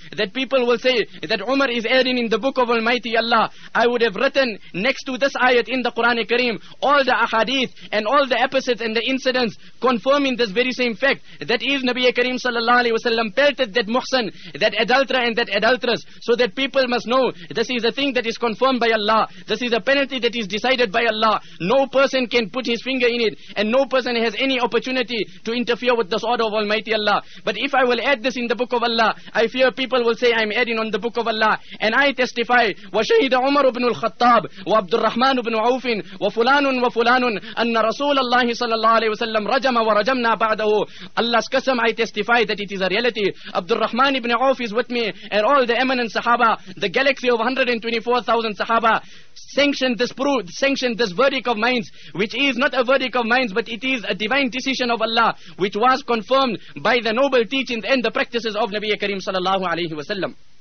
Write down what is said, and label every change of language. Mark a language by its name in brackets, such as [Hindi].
[English] that people will say that Umar is erring in the book of Almighty Allah, I would have written next to this ayat in the Quran Kareem all the ahadith and all the episodes and the incidents confirming this very same fact, that is Nabiya Kareem sallallahu alayhi wa sallam pelted that muhsan, that adulterer and that adulteress, so that people must know this is a thing that is confirmed by Allah, this is a penalty that is decided by Allah, no person can put his finger in it and no person has any opportunity to interfere with this order of Almighty Allah. But if I will add this in the book of Allah, I fear people will say I am adding on the book of Allah. And I testify [Arabic] وَشَهِدَ عُمَرُ بْنُ الْخَطَّابِ وَعَبْدُ الرَّحْمَنُ بْنُ عَوْفٍ وفلان وفلان أن رسول الله صلى الله عليه وسلم رجم ورجمنا بعده Allah's قسم [English] I testify that it is a reality. Abdul Rahman ibn Auf is with me and all the eminent Sahaba, the galaxy of 124,000 Sahaba sanctioned this verdict of minds, which is not a verdict of minds but it is a divine decision of Allah which was confirmed by the noble teachings and the practices of Nabi Kareem صلى الله عليه وسلم.